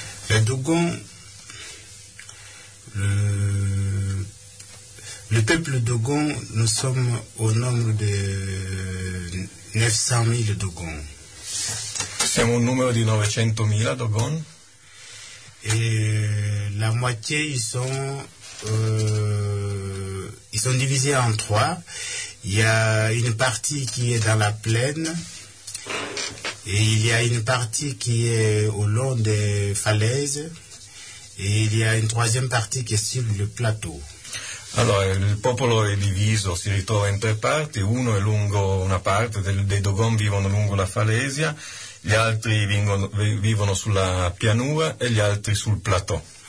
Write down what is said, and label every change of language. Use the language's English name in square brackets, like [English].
[French] Les Dogons, le peuple Dogon, nous sommes au nombre de 900 000 Dogons. [Italian] Siamo un numero di 900 000 Dogon. [French] Et la moitié, ils sont divisés en trois. Il y a une partie qui est dans la plaine. Et il y a une partie qui est au long des falaises et il y a une troisième partie qui est sur le plateau. [Italian] Allora, il popolo è diviso, si ritrova in tre parti, uno è lungo una parte, dei Dogon vivono lungo la falesia, gli altri vivono sulla pianura e gli altri sul plateau.